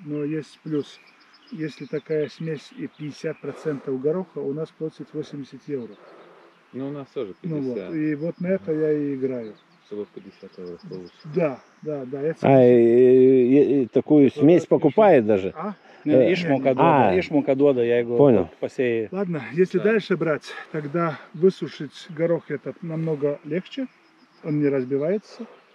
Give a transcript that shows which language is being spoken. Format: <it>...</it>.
<ru>Но есть плюс, если такая смесь и 50% гороха, у нас платит 80 евро. Ну, у нас тоже 50. Ну, вот. И вот на это я и играю. Чтобы 50 евро получить. Да. Такую смесь покупает даже? А?</ru> <lt>Išmoka duoda, jeigu pasėjai.</lt> <ru>Ладно, если дальше брать, тогда высушить горох этот намного легче, он не разбивается.</ru>